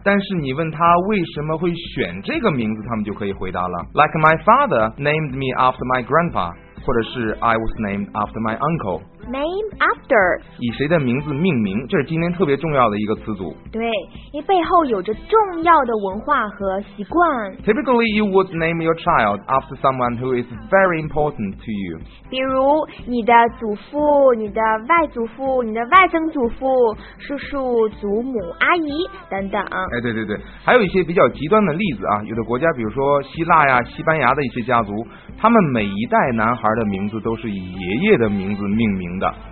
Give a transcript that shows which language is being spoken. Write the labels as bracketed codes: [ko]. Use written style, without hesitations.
[zh] 但是你问他为什么会选这个名字，他们就可以回答了。 [en] Like my father named me after my grandpa. [zh] 或者是 [en] I was named after my uncle. Name after. [zh] 以谁的名字命名，这是今天特别重要的一个词组。对，因为背后有着重要的文化和习惯。 [en] Typically, you would name your child after someone who is very important to you. [zh] 比如你的祖父、你的外祖父、你的外曾祖父、叔叔、祖母、阿姨等等。哎，对对对，还有一些比较极端的例子啊，有的国家，比如说希腊呀、西班牙的一些家族，他们每一代男孩的名字都是以爷爷的名字命名的。